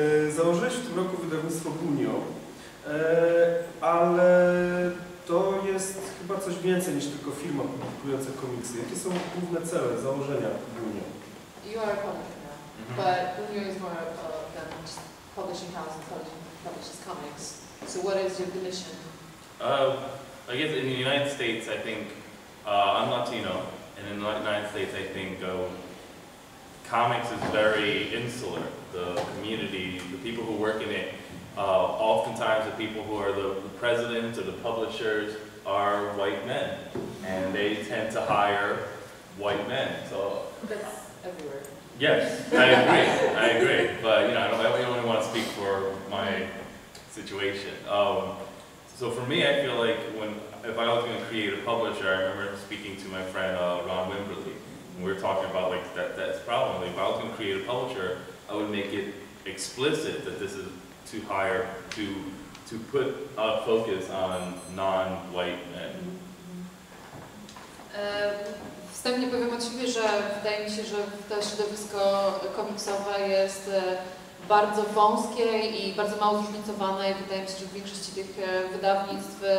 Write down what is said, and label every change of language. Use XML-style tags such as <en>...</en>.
<pl>Założyłeś w tym roku wydawnictwo Bunio, ale to jest chyba coś więcej niż tylko firma publikująca komiksy. Jakie są główne cele, założenia Bunio?</pl> <en>You are a publisher now, but Bunio is more of than publishing house and publishes comics. So what is your mission? I guess in the United States, I think I'm Latino, and in the United States, I think comics is very insular. The community, the people who work in it. Oftentimes the people who are the presidents or the publishers are white men, and they tend to hire white men, so... That's everywhere. Yes, I agree, but you know, I don't really want to speak for my situation. So for me, I feel like if I was going to create a publisher, I remember speaking to my friend Ron Wimberly, and we were talking about like that problem. Like, if I was going to create a publisher, I would make it explicit that this is to hire, to put a focus on non-white men.</en> <pl>Wstępnie powiem od siebie, że wydaje mi się, że to środowisko komiksowe jest bardzo wąskie i bardzo mało zróżnicowane i wydaje mi się, że w większości tych wydawnictw</pl>